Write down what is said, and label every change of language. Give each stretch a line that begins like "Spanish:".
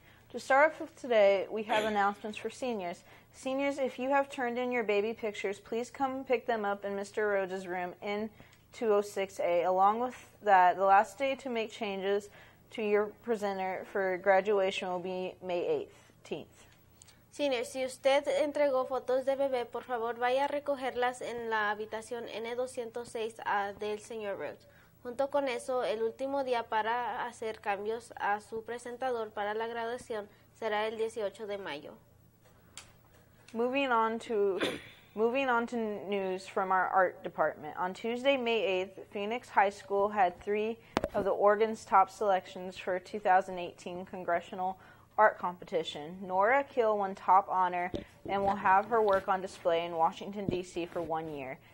English: To start off with today, we have announcements for seniors. Seniors, if you have turned in your baby pictures, please come pick them up in Mr. Rhodes's room in 206A. Along with that, the last day to make changes to your presenter for graduation will be May 18th.
Spanish: Senior, si usted entregó fotos de bebé, por favor vaya a recogerlas en la habitación N206A del señor Rhodes. Junto con eso, el último día para hacer cambios a su presentador para la graduación será el 18 de mayo.
English: Moving on to news from our art department. On Tuesday, May 8th, Phoenix High School had three of the Oregon's top selections for 2018 Congressional Art Competition. Nora Keel won top honor and will have her work on display in Washington, D.C. for 1 year.